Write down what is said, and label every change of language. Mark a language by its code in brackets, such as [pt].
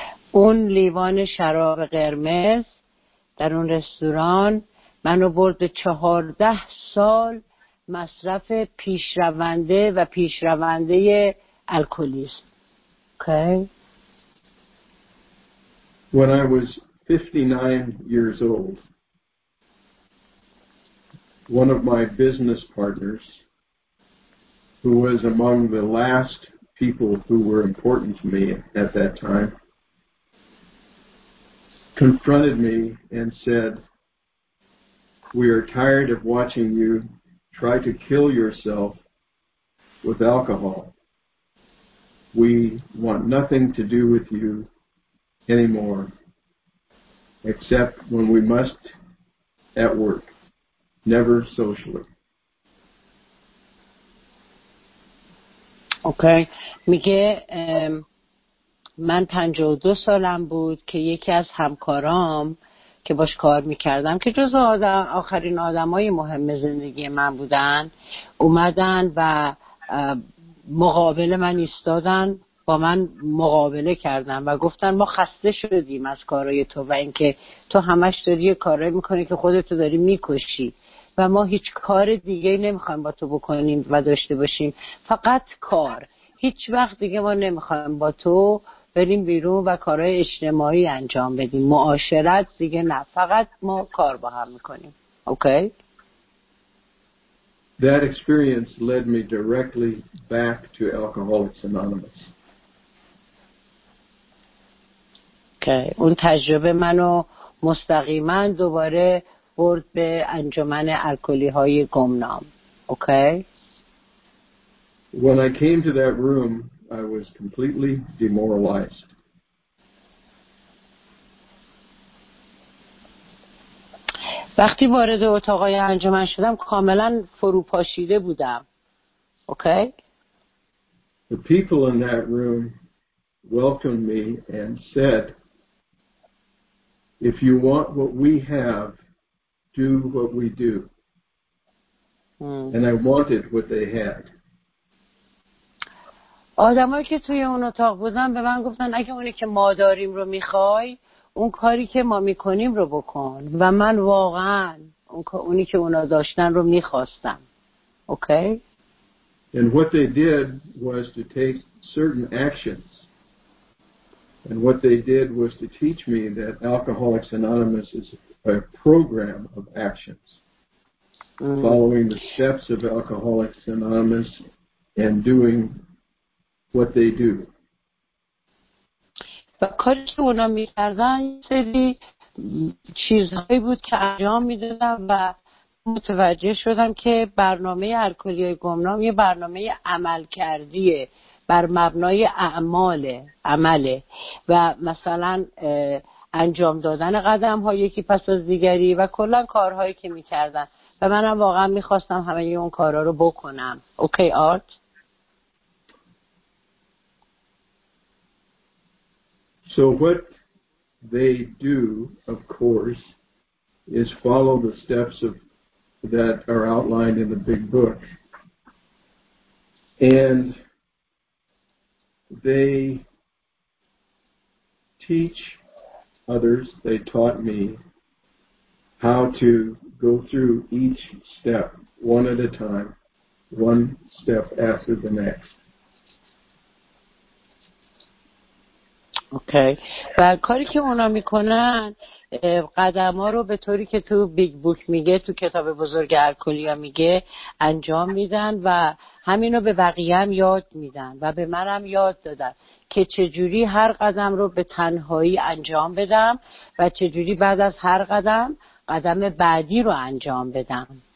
[fa] اون لیوان شراب قرمز در اون رستوران منو برد 14 سال مصرف پیشرونده و پیشرونده الکلیسم. [en] Okay. When I was 59 years old, one of my business partners, who was among the last people who were important to me at that time, confronted me and said, "We are tired of watching you try to kill yourself with alcohol. We want nothing to do with you anymore, except when we must at work, never socially." Okay. [fa] Miguel, من 52 سالم بود که یکی از همکارام که باش کار میکردم که جز آخرین آدم های مهم زندگی من بودن اومدن و مقابل من ایستادن، با من مقابله کردن و گفتن ما خسته شدیم از کارای تو و اینکه تو همش داری کارای میکنی که خودتو داری میکشی و ما هیچ کار دیگه نمیخوایم با تو بکنیم و داشته باشیم، فقط کار، هیچ وقت دیگه ما نمیخوایم با تو بریم بیرون و کارهای اجتماعی انجام بدیم، معاشرت دیگه نه، فقط ما کار با هم میکنیم. [en] Okay? That experience led me directly back to Alcoholics Anonymous. [fa] اوکی، اون تجربه منو مستقیما دوباره برد به انجمن الکلی های گمنام. [en] Okay? When I came to that room, I was completely demoralized. [fa] وقتی وارد اتاقای انجمن شدم کاملا فروپاشیده بودم. [en] Okay? The people in that room welcomed me and said, "If you want what we have, do what we do." And I wanted what they had. [fa] آدمایی که توی اون اتاق بودن به من گفتن اگه اونی که ما داریم رو میخوای اون کاری که ما میکنیم رو بکن، و من واقعا اونی که اونا داشتن رو میخواستم. [en] Okay? And what they did was to take certain actions. And what they did was to teach me that Alcoholics Anonymous is a program of actions. Following the steps of Alcoholics Anonymous and doing what they do. [fa] و کاری که اونا می‌کردن سری چیزهایی بود که انجام می‌دادن و متوجه شدم که برنامه الکلی گمنام یه برنامه عمل کردیه، بر مبنای عمله و مثلا انجام دادن قدم ها یکی پس از دیگری و کلا کارهایی که می کردن و منم واقعا می خواستم همه اون کارها رو بکنم. [en] Okay آرت؟ So what they do, of course, is follow the steps of that are outlined in the big book. And they teach others, they taught me, how to go through each step one at a time, one step after the next. Okay. [fa] و کاری که اونا میکنن قدم ها رو به طوری که تو بیگ بوک میگه، تو کتاب بزرگ الکلیا میگه، انجام میدن و همین رو به بقیه هم یاد میدن و به من هم یاد دادن که چجوری هر قدم رو به تنهایی انجام بدم و چجوری بعد از هر قدم قدم بعدی رو انجام بدم.